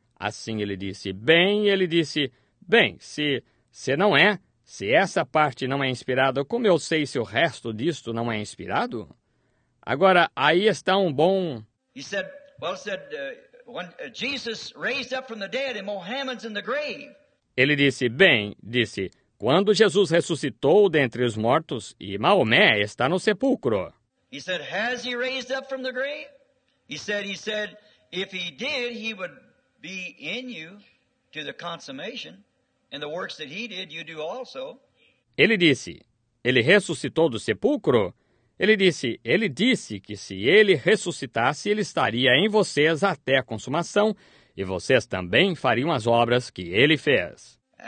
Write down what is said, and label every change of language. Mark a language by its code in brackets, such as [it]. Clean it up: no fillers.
[pt] Assim ele disse, bem, ele disse, bem, se não é, se essa parte não é inspirada, como eu sei se o resto disto não é inspirado? Agora, aí está um bom... [en] He said, well, said... When Jesus raised up from the dead and Mohammed's in the grave. [pt] Ele disse, bem, disse, quando Jesus ressuscitou dentre os mortos e Maomé está no sepulcro. [en] He said, has he raised up from the grave? He said, if he did, he would be in you to the consummation. And the works that he did, you do also. [pt] Ele disse, ele ressuscitou do sepulcro? Ele disse que se ele ressuscitasse, ele estaria em vocês até a consumação, e vocês também fariam as obras que ele fez.